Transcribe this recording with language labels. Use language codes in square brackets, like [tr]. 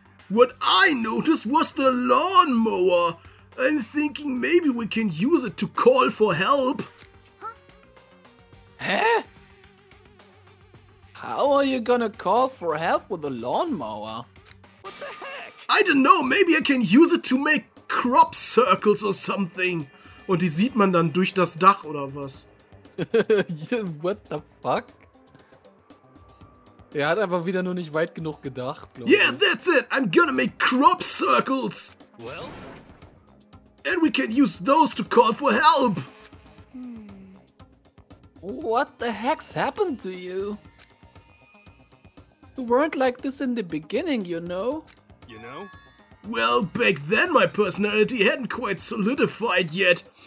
[en] What I noticed was the lawnmower. I'm thinking maybe we can use it to call for help. Huh? How are you gonna call for help with a lawnmower? What the heck? I don't know, maybe I can use it to make crop circles or something. [de] Und die sieht man dann durch das Dach oder was? [en] What the fuck? [de] Er hat einfach wieder nur nicht weit genug gedacht, glaube ich. [en] Yeah, that's it! I'm gonna make crop circles! Well? And we can use those to call for help! What the heck's happened to you? You weren't like this in the beginning, you know? You know? Well, back then my personality hadn't quite solidified yet.